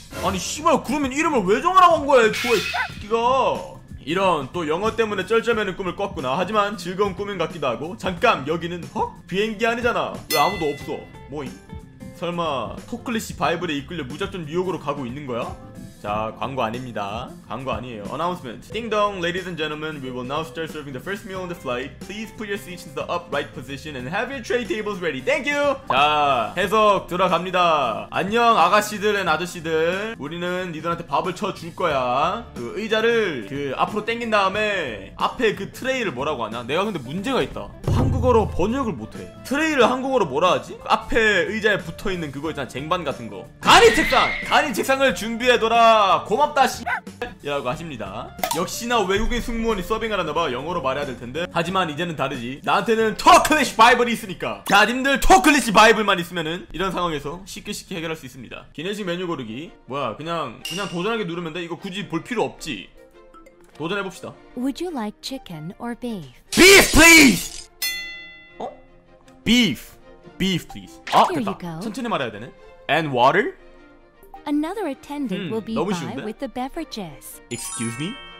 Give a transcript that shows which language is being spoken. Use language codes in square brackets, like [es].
[ko] 아니, 씨발, 그러면 이름을 왜 정하라고 한 거야, 애초에, 씨기가. 이런, 또 영어 때문에 쩔쩔매는 꿈을 꿨구나. 하지만 즐거운 꿈인 같기도 하고. 잠깐, 여기는 헉? 비행기 아니잖아. 왜 아무도 없어? 뭐임? 설마 토클리시 바이블에 이끌려 무작정 뉴욕으로 가고 있는 거야? 자, 광고 아닙니다. 광고 아니에요. Announcement. [en] 띵동, ladies and gentlemen, we will now start serving the first meal on the flight. Please put your seats in the upright position and have your tray tables ready. Thank you! [ko] 자, 해석 들어갑니다. 안녕, 아가씨들 and 아저씨들. 우리는 니들한테 밥을 쳐줄 거야. 그 의자를 그 앞으로 당긴 다음에 앞에 그 트레이를 뭐라고 하냐? 내가 근데 문제가 있다. 한국어로 번역을 못해. 트레이를 한국어로 뭐라 하지? 앞에 의자에 붙어있는 그거 있잖아, 쟁반 같은 거. 간이 책상! 간이 책상을 준비해둬라. 고맙다, 씨. 이라고 하십니다. 역시나 외국인 승무원이 서빙하려나 봐. 영어로 말해야 될 텐데. 하지만 이제는 다르지. 나한테는 토클리시 바이블이 있으니까. 자, 님들 토클리시 바이블만 있으면은 이런 상황에서 쉽게 해결할 수 있습니다. 기내식 메뉴 고르기. 뭐야, 그냥 도전하게 누르면 돼? 이거 굳이 볼 필요 없지. 도전해봅시다. [en] Would you like chicken or beef? Beef, please! Beef, please. [ko] 아, 됐다. 천천히 말해야 되네. [en] And water? Another attendant will be by with the beverages. Excuse me?